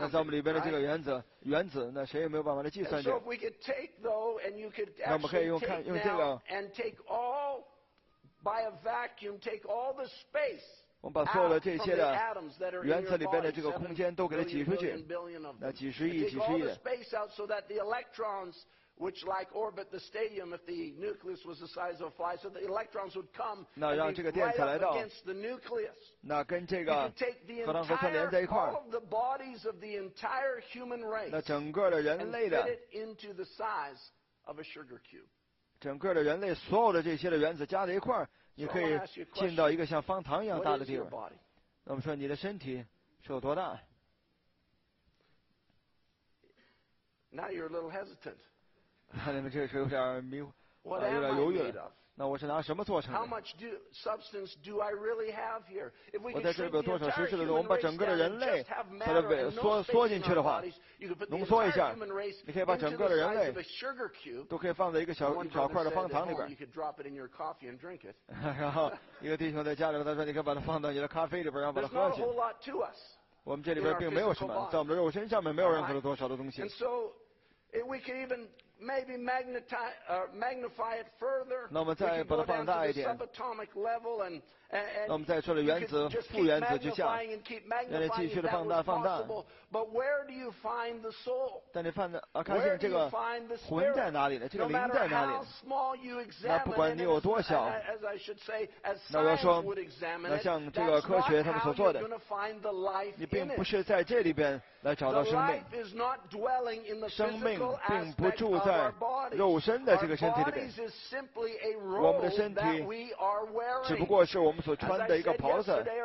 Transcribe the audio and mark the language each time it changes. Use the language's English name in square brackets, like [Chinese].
[Chinese] 那在我们里边的这个原子，那谁也没有办法来计算这个。 [English] So if we could take though, and you could actually take now and take all by a vacuum, take all the space. [Chinese] 我们把所有的这些的原子里边的这个空间都给它挤出去，那几十亿、几十亿的。 [English] Space out so that the electrons, which like orbit the stadium, if the nucleus was the size of a fly, so the electrons would come and be right up against the nucleus. [Chinese] 那跟这个核糖核酸连在一块儿。 [English] All of the bodies of the entire human race. [Chinese] 那整个的人类的。 [English] And fit it into the size of a sugar cube. [Chinese] 整个的人类所有的这些的原子加在一块儿。你可以进到一个像方糖一样大的地方。那么说你的身体是有多大？ [English] Now you're a little hesitant. [Chinese] 你们这是有点迷糊，有点犹豫。那我是拿什么做成的？ [English] How much substance do I really have here? If we can shrink the entire human race down and just have matter and no space in our bodies, you could put the entire human race into the size of a sugar cube. One brother said that, oh, you could drop it in your coffee and drink it. [Chinese] 然后一个弟兄在家里边，他说你可以把它放到你的咖啡里边，让把它喝进去。我们这里边并没有什么，在我们的肉身上面没有任何的多少的东西。 [English] And so, if we could even Maybe magnify it further. We could go down to the subatomic level and we could just keep magnifying and keep magnifying if that was possible. But where do you find the soul? Where do you find the spirit? No matter how small you examine it, as I should say, as science would examine it, that's not how you're going to find the life in it. The life is not dwelling in the physical aspect of [Chinese] 在肉身的这个身体里面。我们的身体只不过是我们所穿的一个袍子。